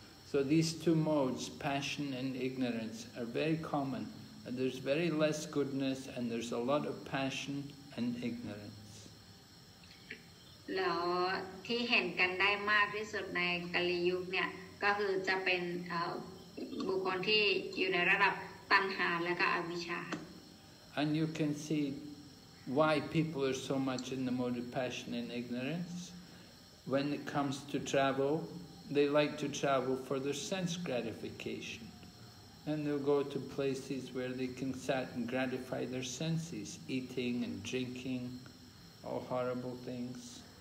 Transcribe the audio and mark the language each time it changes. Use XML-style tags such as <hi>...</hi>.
<en>So these two modes, passion and ignorance, are very common. And there's very less goodness and there's a lot of passion and ignorance.</en> <th>แล้วที่เห็นกันได้มากที่สุดในกาลยุคเนี่ยก็คือจะเป็นบุคคลที่อยู่ในระดับตัณหาและก็อวิชชา</th> <en>And you can see why people are so much in the mode of passion and ignorance. When it comes to travel, they like to travel for their sense gratification. And they'll go to places where they can sit and gratify their senses, eating and drinking, all horrible things.</en>